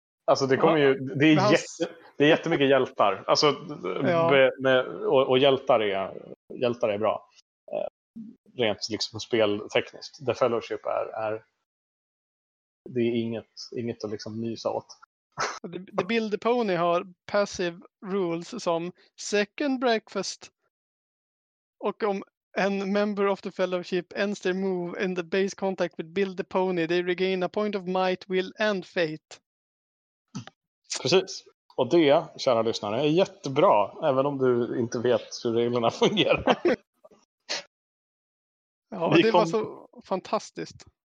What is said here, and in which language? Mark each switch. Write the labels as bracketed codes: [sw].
[sv] Alltså det kommer ja. Ju, det är, det är jättemycket hjältar. Alltså, ja. och hjältar är bra. Rent liksom speltekniskt. The Fellowship är det är inget att liksom nysa åt. [en] The Build a Pony [sv] har [en] passive rules [sv] som [en] second breakfast, [sv] och om en [en] member of the fellowship ends their move in the base contact with Build a Pony, they regain a point of might, will and fate. [sv] Precis, och det, kära lyssnare, är jättebra, även om du inte vet hur reglerna fungerar. Ja, och det var så fantastiskt.